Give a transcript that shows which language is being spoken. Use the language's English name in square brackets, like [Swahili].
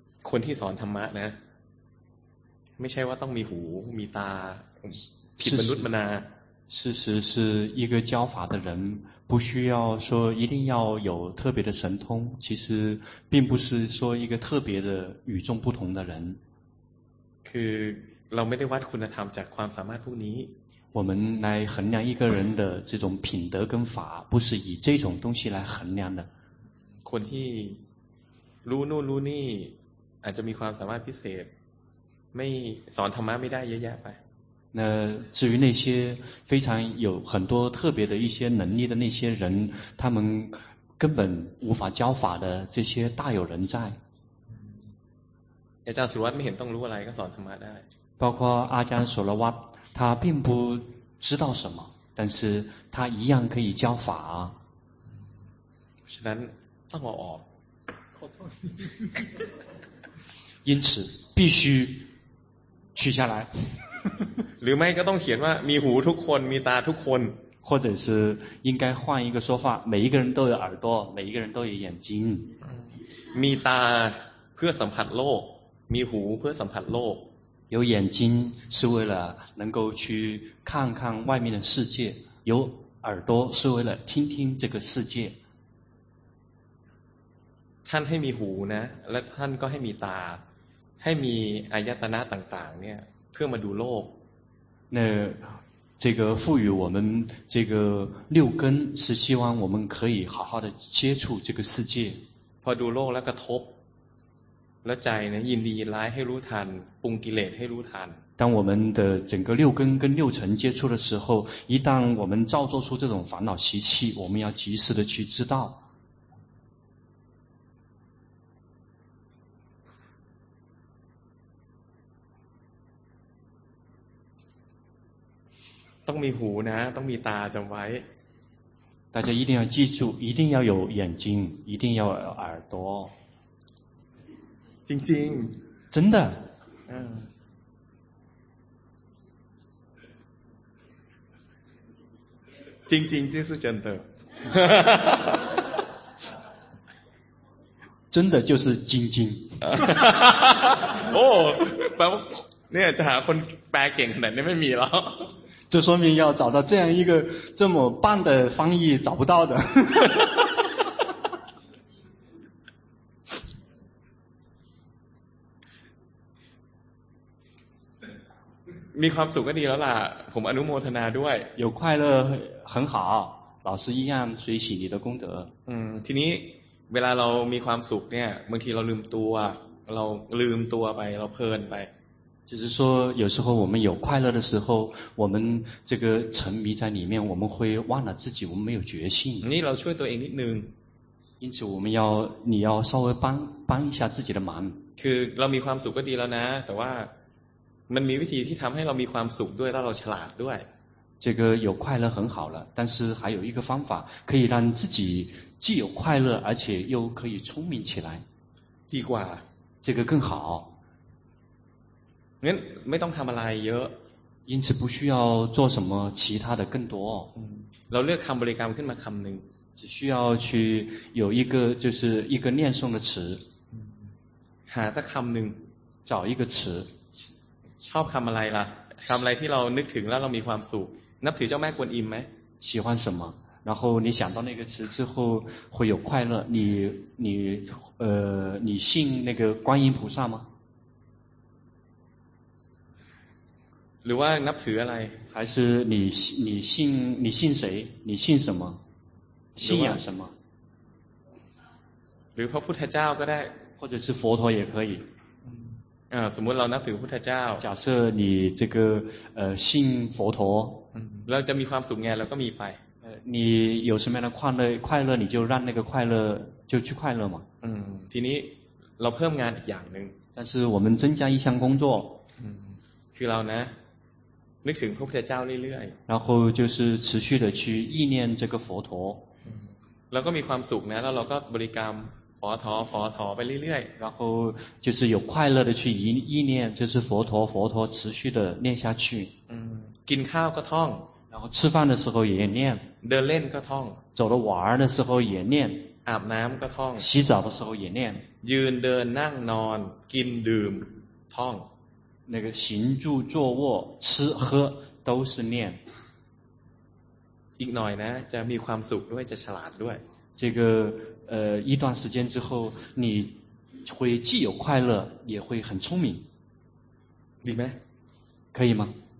[Thai] คนที่สอนธรรมะนะไม่ใช่ว่าต้องมีหูมีตาผิดมนุษย์มนา [Chinese] 事实是一个教法的人不需要说一定要有特别的神通其实并不是说一个特别的与众不同的人 [Thai] คือเราไม่ได้วัดคุณธรรมจากความสามารถพวกนี้ [Chinese] 我们来衡量一个人的这种品德跟法不是以这种东西来衡量的 [Thai] คนที่รู้นู่นรู้นี่อาจจะมีความสามารถพิเศษไม่สอนธรรมะไม่ได้เยอะแยะไป [Chinese] 那至于那些非常有很多特别的一些能力的那些人他们根本无法教法的这些大有人在 [Thai] อาจารย์สุรวัตรไม่เห็นต้องรู้อะไรก็สอนธรรมะได้ [Chinese] 包括อาจารย์สุรวัตร他并不知道什么但是他一样可以教法 [Thai] ฉะนั้นต้องเอาออก ขอโทษ [Chinese] 因此必须取下来 [Thai] หรือไม่ก็ต้องเขียนว่ามีหูทุกคนมีตาทุกคน [Chinese] 或者是应该换一个说法每一个人都有耳朵每一个人都有眼睛 [Thai] มีตาเพื่อสัมผัสโลกมีหูเพื่อสัมผัสโลก [Chinese] 有眼睛是为了能够去看看外面的世界有耳朵是为了听听这个世界 [Thai] ท่านให้มีหูนะและท่านก็ให้มีตาให้มีอายตนะต่างๆเนี่ยเพื่อมาดูโลก [Chinese] 那这个赋予我们这个六根是希望我们可以好好的接触这个世界 [Thai] พอดูโลกแล้วกระทบ 那ใจ呢ยินดีร้ายให้รู้ทันปรุงกิเลสให้รู้ทัน [Chinese] 当我们的整个六根跟六尘接触的时候，一旦我们造作出这种烦恼习气，我们要及时的去知道。 [Thai] ต้องมีหูนะต้องมีตาจำไว้ [Chinese] 大家一定要记住，一定要有眼睛，一定要有耳朵。 [Thai] จริง [Chinese] ๆ真的。 [Thai] จริงๆ [Chinese] 就是真的。真的就是 [Thai] จริง ๆ。โอ้แปลว่าเนี่ยจะหาคนแปลเก่งขนาดนี้ไม่มีแล้ว [Chinese] 这说明要找到这样一个这么棒的翻译找不到的 [Thai] มีความสุขก็ดีแล้วล่ะผมอนุโมทนาด้วย [Chinese] 有快乐很好老师一样随喜你的功德 [Thai] ทีนี้เวลาเรามีความสุขเนี่ยบางทีเราลืมตัวเราลืมตัวไปเราเพลินไป [Chinese] จะ说有时候我们有快乐的时候我们这个沉迷在里面我们会忘了自己我们没有觉性 [Thai] นี่เราช่วยตัวเองนิดนึง [Chinese] 因此我们要你要稍微帮一下自己的忙 [Thai] คือเรามีความสุขก็ดีแล้วนะแต่ว่ามันมีวิธีที่ทำให้เรามีความสุขด้วยแล้วเราฉลาดด้วย [Chinese] 这个有快乐很好了但是还有一个方法可以让自己既有快乐而且又可以聪明起来 [Thai] ดีกว่า [Chinese] 这个更好 [Thai] งั้นไม่ต้องทำอะไรเยอะ [Chinese] 因此不需要做什么其他的更多 [Thai] เราเลือกคำบริกรรมขึ้นมาคำหนึ่ง [Chinese] 只需要去有一个就是一个念诵的词 [Thai] หาสักคำหนึ่ง [Chinese] 找一个词 [Thai] ชอบคำอะไรล่ะคำอะไรที่เรานึกถึงแล้วเรามีความสุขนับถือเจ้าแม่กวนอิมไหม [Chinese] 喜欢什么然后你想到那个词之后会有快乐你信那个观音菩萨吗 [Thai] หรือว่านับถืออะไร [Chinese] 还是你信你信谁你信什么信仰什么 [Thai] หรือพระพุทธเจ้าก็ได้ [Chinese] 或者是佛陀也可以 [Thai] สมมติเรานับถือพุทธเจ้า [Chinese] 假设你这个信佛陀 [Thai] เราจะมีความสุขไงเราก็มีไป [Chinese] 你有什么样的快乐你就让那个快乐就去快乐嘛 [Thai] ทีนี้เราเพิ่มงานอีกอย่างนึง [Chinese] 但是我们增加一项工作 [Thai] คือเรานะนึกถึงพระพุทธเจ้าเรื่อย [Chinese] ๆ然后就是持续的去意念这个佛陀 [Thai] แล้วก็มีความสุขนะแล้วเราก็บริกรรมฟอทอไปเรื่อยๆ [Chinese] 然后就是有快乐的去意念就是佛陀持续的念下去 [Thai] กินข้าวก็ท่อง [Chinese] 然后吃饭的时候也念 [Thai] เดินเล่นก็ท่อง [Chinese] 走了玩的时候也念 [Thai] อาบน้ําก็ท่อง [Chinese] 洗澡的时候也念 [Thai] ยืนเดินนั่งนอนกินดื่มท่อง [Chinese] 那个行住坐卧吃喝都是念 [Thai] อีกหน่อยนะจะมีความสุขด้วยจะฉลาดด้วย [Chinese] 这个一段时间之后你会既有快乐也会很聪明 [Thai] ดีไหม [Chinese] 可以吗